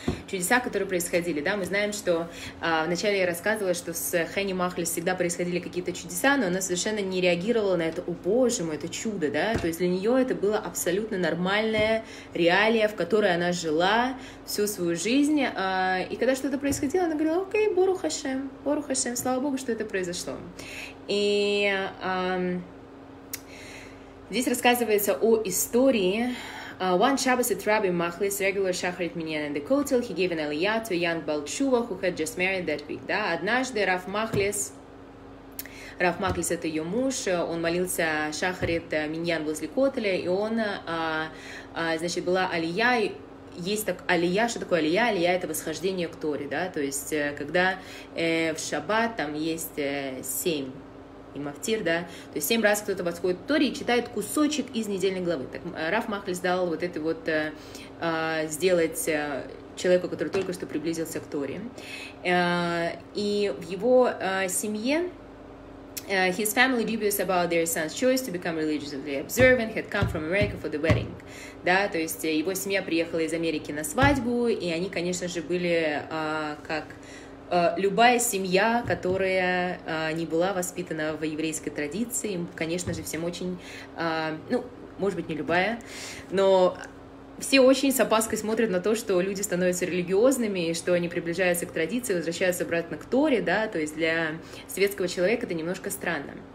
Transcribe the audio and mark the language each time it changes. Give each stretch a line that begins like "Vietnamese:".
Russian: Чудеса, которые происходили, да, мы знаем, что вначале я рассказывала, что с Хэнни Махлис всегда происходили какие-то чудеса, но она совершенно не реагировала на это, о боже мой, это чудо, да, то есть для нее это было абсолютно нормальная реалия, в которой она жила всю свою жизнь, и когда что-то происходило, она говорила, окей, Бору Хашем, слава Богу, что это произошло. И... здесь рассказывается о истории.
English: One Shabbos at Rabbi Machlis, regular Shacharit Minyan in the Kotel, he gave an aliyah to a young Baal Tshuva, who had just married that week.
Russian: Да? Однажды Рав Махлис, это ее муж, он молился Шахарит Миньян возле Котеля, и он, значит, была алия, есть так алия, что такое алия? Алия — это восхождение к Торе, да, то есть когда в Шаббат там есть семь, и мафтир, да, то есть 7 раз кто-то восходит в Торе и читает кусочек из недельной главы. Так Рав Махлис дал вот это вот сделать человеку, который только что приблизился к Торе. И в его семье
English: his family dubious about their son's choice to become religiously observant had come from America for the wedding.
Russian: Да, то есть его семья приехала из Америки на свадьбу, и они, конечно же, были как... любая семья, которая не была воспитана в еврейской традиции, конечно же, всем очень, ну, может быть, не любая, но все очень с опаской смотрят на то, что люди становятся религиозными, что они приближаются к традиции, возвращаются обратно к Торе, да, то есть для светского человека это немножко странно.